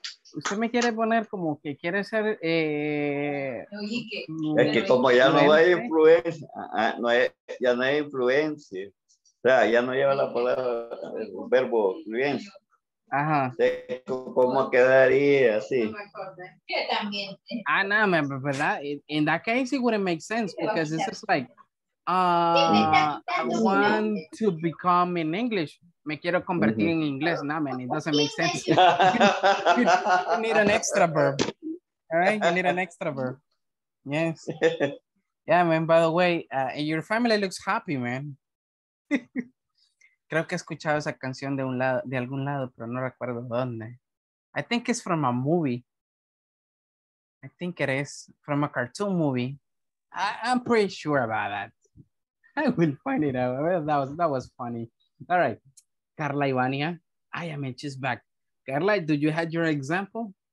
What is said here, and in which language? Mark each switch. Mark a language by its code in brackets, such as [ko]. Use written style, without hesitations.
[es] Usted me quiere poner como que quiere ser es que como ya no hay influencia, ya no hay influencia, o sea, ya no lleva la palabra el verbo influencia. Ajá. ¿Cómo quedaría así? [en] Ah, no, remember, but that in that case it wouldn't make sense because this is like I want to become in English. [es] Me quiero convertir en inglés. [en] No, man, it doesn't make sense. You need an extra verb. All right, you need an extra verb. Yes. Yeah, man, by the way, your family looks happy, man. [es] Creo que he escuchado esa canción de un lado, de algún lado, pero no recuerdo dónde. [en] I think it's from a movie. I think it is from a cartoon movie. I'm pretty sure about that. I will find it out. That was funny. All right. Carla Ivania, I am just back. Carla, do you have your example?